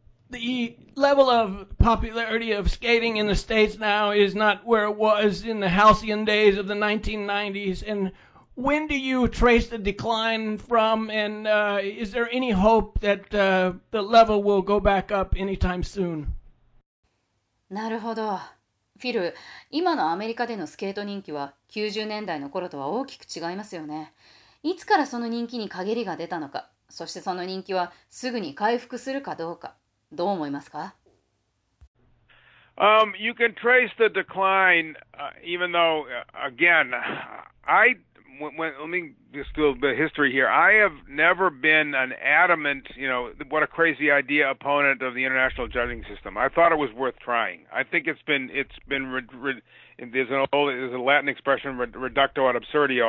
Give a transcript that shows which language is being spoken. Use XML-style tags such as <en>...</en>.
<en>The level of popularity of skating in the States now is not where it was in the halcyon days of the 1990s. And when do you trace the decline from, and is there any hope that the level will go back up anytime soon?</en> <ja>なるほど。フィル、今のアメリカでのスケート人気は90年代の頃とは大きく違いますよね。いつからその人気に陰りが出たのか、そしてその人気はすぐに回復するかどうか、どう思いますか？</ja> <en>You can trace the decline, even though, again, let me just do a bit of history here. I have never been an adamant, you know, what a crazy idea opponent of the international judging system. I thought it was worth trying. I think there's a Latin expression, reducto ad absurdio.</en>